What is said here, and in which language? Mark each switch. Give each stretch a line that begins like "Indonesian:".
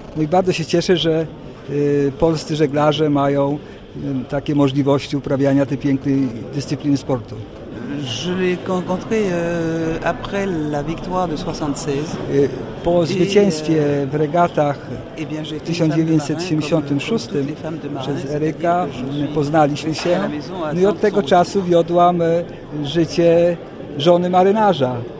Polish: No i bardzo się cieszę, że polscy żeglarze mają takie możliwości uprawiania tej pięknej dyscypliny sportu.
French: Je l'ai rencontré après la victoire de 76.
Polish: Po zwycięstwie w regatach w 1976 przez Eryka poznaliśmy się. No i od tego czasu wiodłam życie żony marynarza.